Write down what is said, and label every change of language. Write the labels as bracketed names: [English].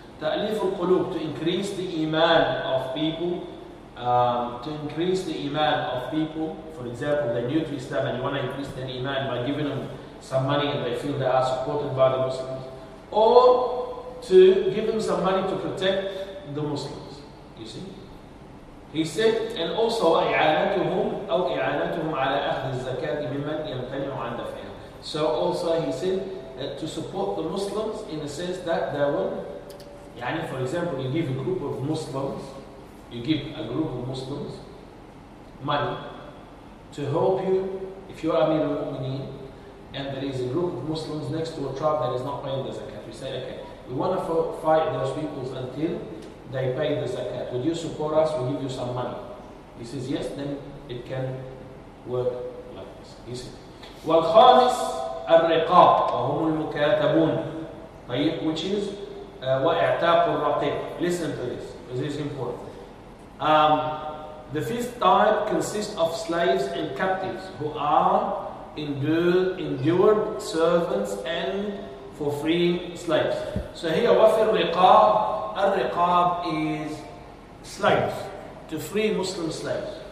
[English] Ta'lif al-qulub to increase the iman of people. For example, they're new to Islam and you want to increase their iman by giving them some money and they feel they are supported by the Muslims. Or to give them some money to protect the Muslims, you see? He said, and also [Arabic] إعانتهم أو إعانتهم على أخذ الزكاة ممن يمتنع عن دفعها. [English] So also he said to support the Muslims in the sense that they will يعني for example you give a group of Muslims money to help you if you are Amir al-Mu'mineen and there is a group of Muslims next to a tribe that is not paying the zakat. You say, okay, we want to fight those peoples until they pay the zakat. Would you support us? We'll give you some money. He says, yes, then it can work like this. He says, [Arabic] وَالْخَامِسْ الرِّقَابْ وَهُمُ الْمُكَاتَبُونَ [English] which is [Arabic] وَاِعْتَاقُ الرَّقِيبُ. [English] Listen to this, because this is important. The fifth type consists of slaves and captives who are endured servants and for free slaves. So here, [Arabic] وَفِ الرِّقَابْ الرقاب [English] is slaves, to free Muslim slaves.